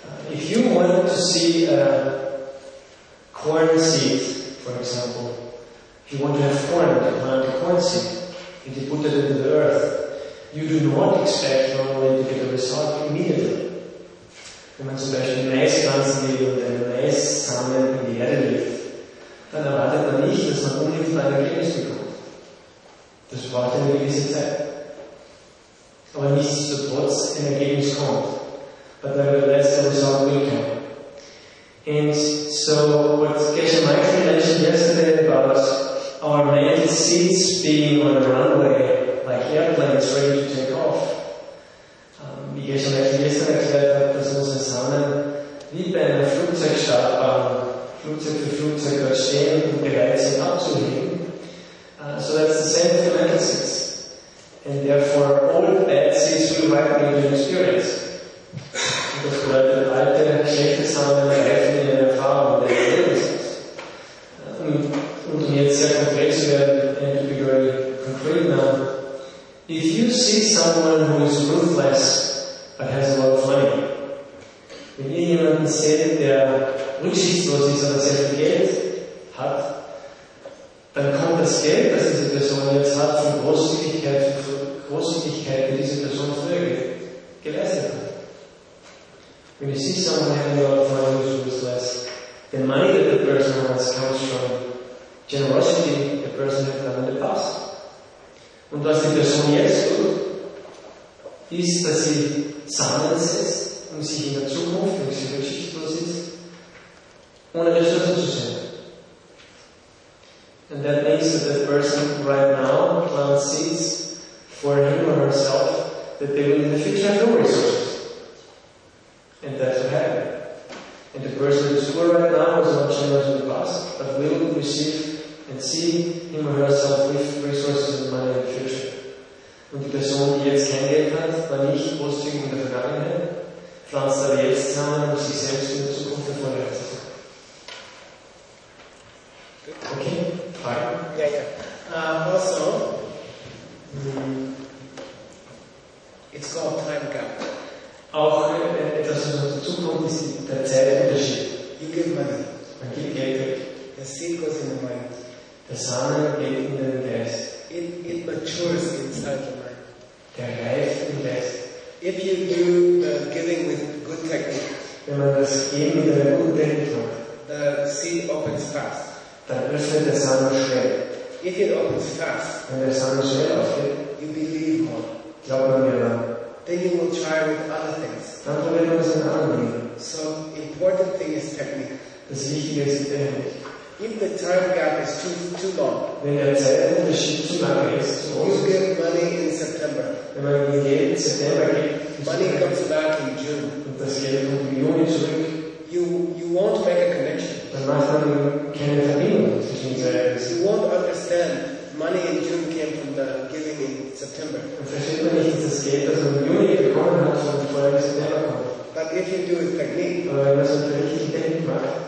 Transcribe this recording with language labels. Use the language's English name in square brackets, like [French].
[English] If you wanted to see a corn seed, for example, if you want to have corn, to plant a corn seed, and you put it into the earth, you do not expect normally to get a result immediately. [German] Wenn man zum Beispiel Mais pflanzen will und einen Mais-Samen in die Erde legt, dann erwartet man nicht, dass man unmittelbar ein Ergebnis bekommt. Das braucht eine gewisse Zeit. Aber nichtsdestotrotz ein Ergebnis kommt. [English] But nevertheless, the result will come. And so, what Geshe Michael mentioned yesterday about our mental seeds being on a runway, like airplanes ready to take off, [German] wie Geshe Michael gestern erklärt hat, dass unsere Samen wie bei einer Flugzeugstartbahn, Flugzeug für Flugzeug dort stehen und bereit sind abzulegen. [English] So that's the same with the mental seeds. And therefore, all bad seeds will wipe me into experience. [German] Das bedeutet, alte, schlechte Samen reifen in der Erfahrung, der Erlebnis. Und um jetzt sehr konkret zu werden, [English] and to be very concrete now, if you see someone who is ruthless but has a lot of money, [German] wenn ihr jemanden seht, der rücksichtslos ist, aber sehr viel Geld hat, dann kommt das Geld, das diese Person jetzt hat, von Großzügigkeit, die diese Person früher geleistet hat. [English] When you see someone having a lot of money who is ruthless, the money that the person has comes from generosity the person has done in the past. [German] Und was die Person jetzt tut, ist, dass sie Samen setzt und sich in der Zukunft, wenn sie rücksichtslos ist, ohne Ressourcen zu sein. [English] And that means that the person right now plants seeds for him or herself that they will in the future have no resources. And that's what happened. And the person who is poor right now is not generous in the past, but will receive and see him or herself with resources and money in the future. [German] Und die Person, die jetzt kein Geld hat, war nicht großzügig in der Vergangenheit, pflanzt aber jetzt Samen, um sich selbst in der Zukunft erfolgreich zu sein. Okay? Fragen? [English] Ja, ja. Also, it's called time gap. [German] Auch etwas, was uns zukommt, ist der Zeitunterschied. [English] You give money. [German] Man gibt Geld weg. [English] The seed goes in the mind. [German] Der Samen geht in den Geist. [English] It matures inside the mind. [German] Der reift im Geist. [English] If you do the giving with good technique, [German] wenn man das Geben mit einer guten Technik macht, [English] the seed opens fast. [German] Dann öffnet der Samen schnell. [English] If it opens fast, [German] wenn der Samen schnell aufgeht, [English] you believe more. [German] Glaubt man mir dann. [English] Then you will try with other things. [German] Dann probieren wir es mit anderen Dingen. [English] So, important thing is technique. [German] Das Wichtige ist die Technik. [English] If the time gap is too long, [German] wenn der Zeitunterschied zu lang ist, zu groß ist, [English] you give money in September. [German] Wenn man Geld in September gibt, [English] money comes back in June. [German] Und das Geld kommt im Juni zurück. [English] You won't make a connection. [German] Dann macht man keine Verbindung zwischen den Zeiten. [English] You won't understand. Money in June came from the giving in September. [German] Versteht man nicht, dass Geld, das man im Juni bekommen hat, schon vorher im September kommt. [English] But if you do it technique, [German] aber wenn man es mit der richtigen Technik macht,